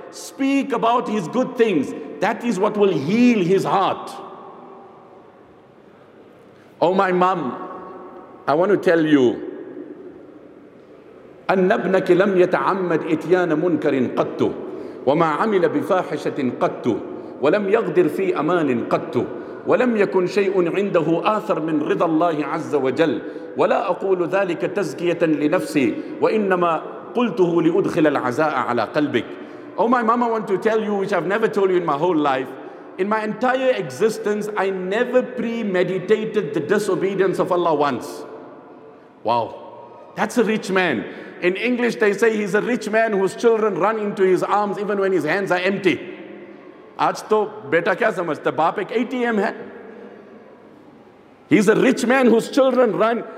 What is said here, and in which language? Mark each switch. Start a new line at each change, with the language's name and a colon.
English: Speak about his good things. That is what will heal his heart. Oh my mom, I want to tell you,
Arabic: أن ابنك لم يتعمد إتيان منكر قط وما عمل بفاحشة قط ولم يغدر في أمان قط ولم يكن شيء عنده آثر من رضا الله عز وجل ولا أقول ذلك تزكية لنفسي وإنما قلته لأدخل العزاء على قلبك
English: Oh my mom, I want to tell you which I've never told you in my whole life. In my entire existence, I never premeditated the disobedience of Allah once. Wow, that's a rich man. In English, they say he's a rich man whose children run into his arms even when his hands are empty.
Hindi: Aaj to beta kya samajhta? Baap ek ATM hai.
English: He's a rich man whose children run.